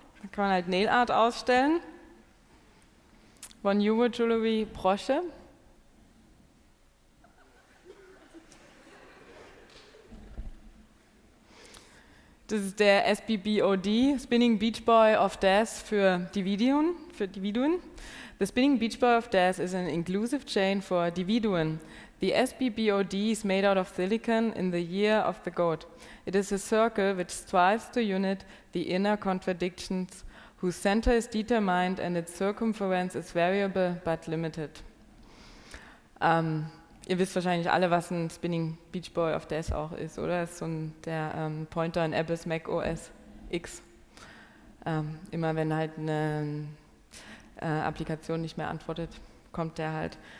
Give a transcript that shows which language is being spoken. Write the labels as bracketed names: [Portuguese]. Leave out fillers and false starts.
[German] Da kann man halt Nail Art ausstellen. Von Juwe, Jewelry, Brosche. Das ist der SBBOD, Spinning Beach Boy of Death für Dividuen. [English] The Spinning Beach Boy of Death is an inclusive chain for Dividuen. The SBBOD is made out of silicon in the year of the goat. It is a circle which strives to unite the inner contradictions whose center is determined and its circumference is variable but limited. [German] Ihr wisst wahrscheinlich alle, was ein Spinning Beach Boy of Death auch ist, oder? Das ist so der Pointer in Apples Mac OS X. Immer wenn halt eine Applikation nicht mehr antwortet, kommt der halt.